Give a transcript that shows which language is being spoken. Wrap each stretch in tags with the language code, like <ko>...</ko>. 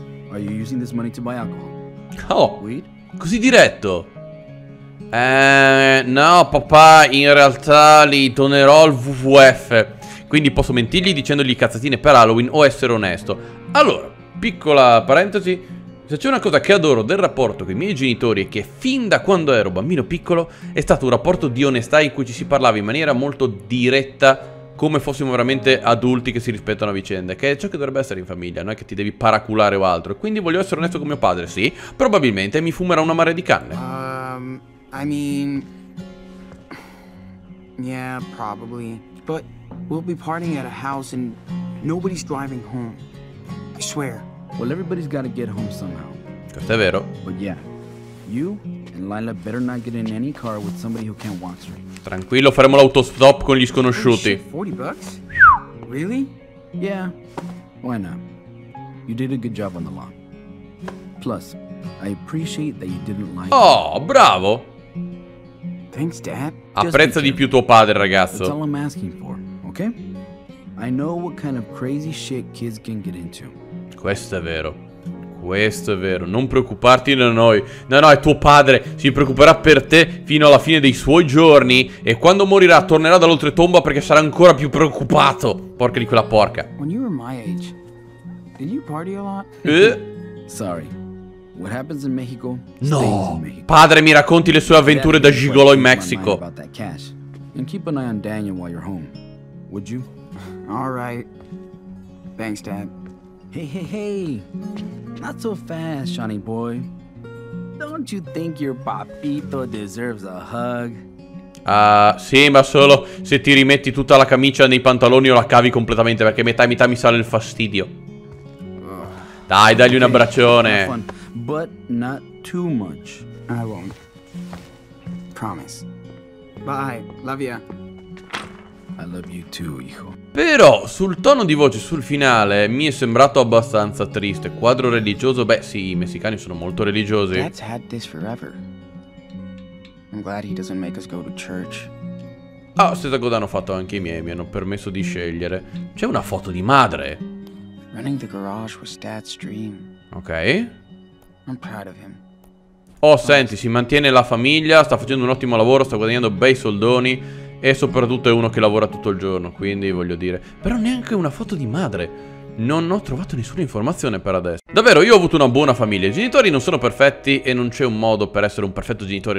<en>Are you using this money to buy alcohol?</en> <it>Oh, weed? Così diretto. No, papà, in realtà li donerò al WWF. Quindi posso mentirgli dicendogli cazzatine per Halloween o essere onesto. Allora, piccola parentesi. Se c'è una cosa che adoro del rapporto con i miei genitori e che fin da quando ero bambino piccolo è stato un rapporto di onestà in cui ci si parlava in maniera molto diretta, come fossimo veramente adulti che si rispettano a vicenda, che è ciò che dovrebbe essere in famiglia, non è che ti devi paraculare o altro. Quindi voglio essere onesto con mio padre, sì, probabilmente mi fumerà una marea di canne.</it> <en>Yeah, probably. But we'll be partying at a house and nobody's driving home. I swear. Well, everybody's gotta get home somehow.</en> <it>Questo è vero.</it> <en>But yeah, you and Lila better not get in any car with somebody who can't walk straight.</en> <it>Tranquillo, faremo l'autostop con gli sconosciuti.</it> <en>Oh, 40 bucks? Really? Yeah, why not? You did a good job on the lawn. Plus, I appreciate that you didn't lie.</en> <it>Oh, bravo!</it> <en>Thanks, Dad.</en> <it>Apprezza di più tuo padre, ragazzo.</it> <en>That's all I'm asking for, okay? I know what kind of crazy shit kids can get into.</en> <it>Questo è vero. Questo è vero. Non preoccuparti da noi. No, no, è tuo padre. Si preoccuperà per te fino alla fine dei suoi giorni. E quando morirà, tornerà dall'oltretomba perché sarà ancora più preoccupato. Porca di quella porca.</it> <en>When you were my age, did you party a lot? Sorry. What happens in Mexico? No.</en> <it>Padre, mi racconti le sue avventure da gigolo in Mexico.</it> <en>And keep an eye on Daniel while you're home. Would you? All right. Thanks, Dad. Hey, not so fast, Shawnee boy. Don't you think your papito deserves a hug?</en> <it>Sì, ma solo se ti rimetti tutta la camicia nei pantaloni o la cavi completamente, perché metà e metà mi sale il fastidio. Dai, dagli un abbraccione.</it> <en>But not too much. I won't. Promise. Bye, love ya. I love you too, hijo.</en> <it>Però sul tono di voce sul finale mi è sembrato abbastanza triste. Quadro religioso, beh sì, i messicani sono molto religiosi.</it> <en>Dad's had this forever. I'm glad he doesn't make us go to church.</en> <it>Ah, stessa cosa hanno fatto anche i miei, mi hanno permesso di scegliere. C'è una foto di madre.</it> <en>Running the garage was Dad's dream. Ok. I'm proud of him.</en> <it>Oh, senti, si mantiene la famiglia, sta facendo un ottimo lavoro, sta guadagnando bei soldoni. E soprattutto è uno che lavora tutto il giorno, quindi voglio dire. Però neanche una foto di madre. non ho trovato nessuna informazione per adesso. Davvero, io ho avuto una buona famiglia. I genitori non sono perfetti e non c'è un modo per essere un perfetto genitore.</it>